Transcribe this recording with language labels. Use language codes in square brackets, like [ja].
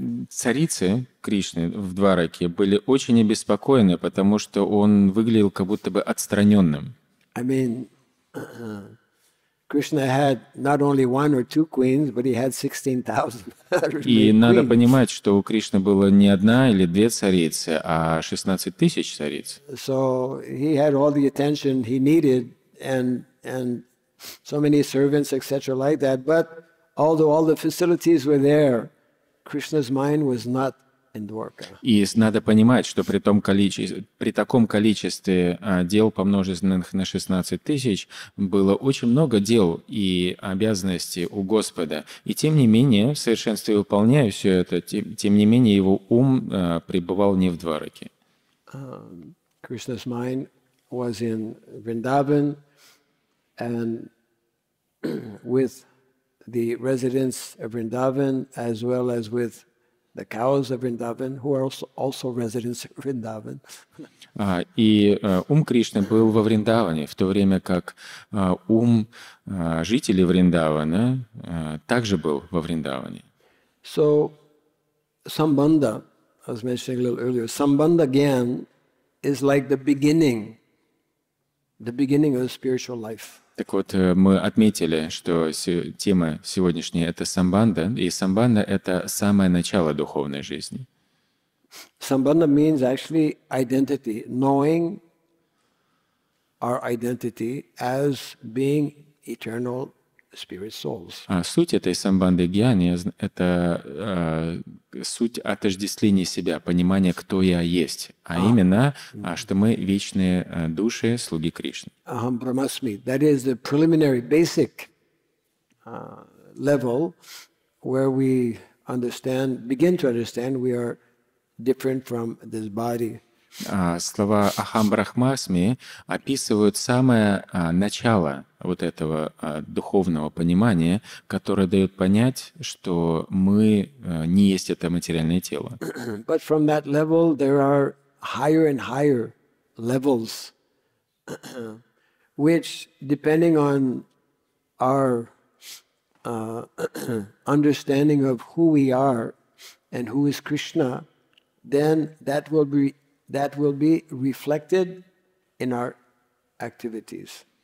[ru] Царицы Кришны в Двараке были очень обеспокоены, потому что он выглядел как будто бы отстраненным. [en] I mean, Krishna had not only one or two queens, but he had 16,000 queens. [ru] И надо понимать, что у Кришны было не одна или две царицы, а 16,000 цариц. [en] So he had all the attention he needed, and so many servants, etc., like that. But although all the facilities were there, Krishna's mind was not. [ru] И надо понимать, что при таком количестве дел, помноженных на 16 тысяч, было очень много дел и обязанностей у Господа. И тем не менее, в совершенстве выполняя все это, тем не менее, его ум пребывал не в Двараке. [en] Krishna's mind was in Vrindavan, and with the residents of Vrindavan, as well as with the cows of Vrindavan, who are also residents of Vrindavan. [ru] И ум Кришны был во Вриндаване, в то время как ум жителей Вриндавана также был во Вриндаване. [en] So, Sambandha, I was mentioning a little earlier, Sambandha Gyan is like the beginning of spiritual life. [ru] Так вот, мы отметили, что тема сегодняшняя — это самбанда, и самбанда — это самое начало духовной жизни. [en] Samband means actually identity, knowing our identity as being eternal spirit souls. [ru] А суть этой самбанды гьяни — это суть отождествления себя, понимания, кто я есть, а именно, что мы вечные души, слуги Кришны. [sa] Aham Brahmasmi. [en] That is the preliminary, basic level where we understand, begin to understand, we are different from this body. [ru] Слова [sa] «Aham Brahmasmi» [ru] описывают самое начало вот этого духовного понимания, которое дает понять, что мы не есть это материальное тело. [en] But from that level, there are higher and higher levels, which, depending on our understanding of who we are and who is Krishna, then that will be reflected in our activities.